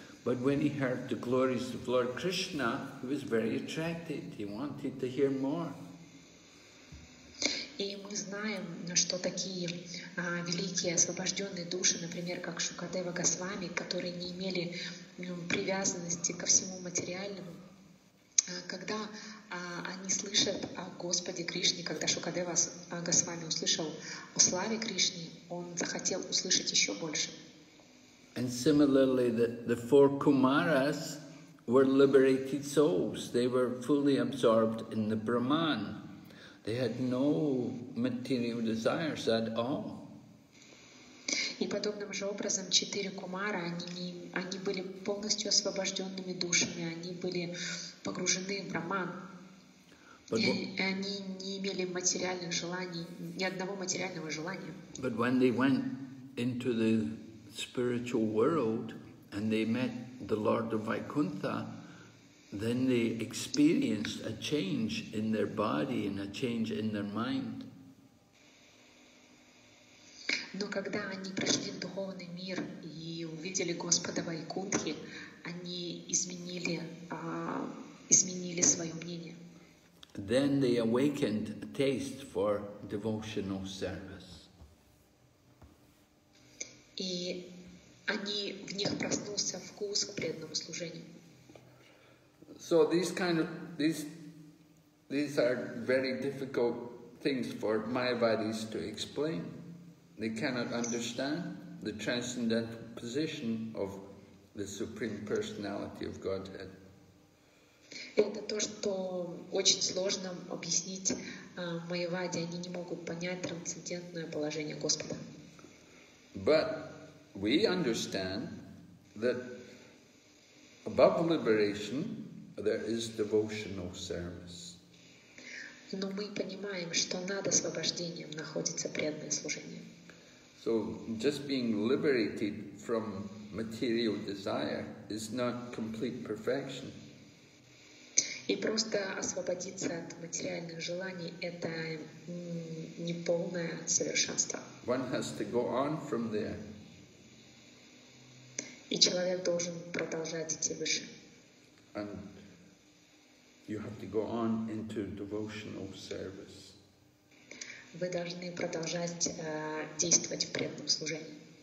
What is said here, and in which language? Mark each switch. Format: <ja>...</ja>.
<en>But when he heard the glories of Lord Krishna, he was very attracted. He wanted to hear more.</en> <ru>И мы знаем, что такие великие освобожденные души, например, как Шукадева Госвами, которые не имели привязанности ко всему материальному, когда они слышат о Господе Кришне, когда Шукадева Госвами услышал о славе Кришне, он захотел услышать еще больше.</ru> <en>And similarly, the four Kumaras were liberated souls. They were fully absorbed in the Brahman. They had no material desires at all.</en> <ru>И подобным же образом четыре кумара, они были полностью освобожденными душами, они были погружены в Брахман. И они не имели материальных желаний, ни одного материального желания.</ru> <en>But when they went into the spiritual world and they met the Lord of Vaikuntha, then they experienced a change in their body and a change in their mind.</en> <ru>Но когда они пришли в духовный мир и увидели Господа Вайкунтхи, они изменили свое мнение.</ru> <en>Then they awakened a taste for devotional service.</en> <ru>И они в них проснулся вкус к преданному служению.</ru> <en>So these are very difficult things for Mayavadis to explain. They cannot understand the transcendental position of the Supreme Personality of Godhead.</en> <ru>Это то, что очень сложно объяснить Майяваде. Они не могут понять трансцендентное положение Господа.</ru> <en>But we understand that above liberation there is devotional service.</en> <ru>Но мы понимаем, что над освобождением находится преданное служение.</ru> <en>So just being liberated from material desire is not complete perfection.</en> <ru>И просто освободиться от материальных желаний — это не полное совершенство.</ru> <en>One has to go on from there.</en> <ru>И человек должен продолжать идти выше.</ru> <en>And you have to go on into devotional service.</en> <ru>Вы должны продолжать действовать в преданном служении.</ru>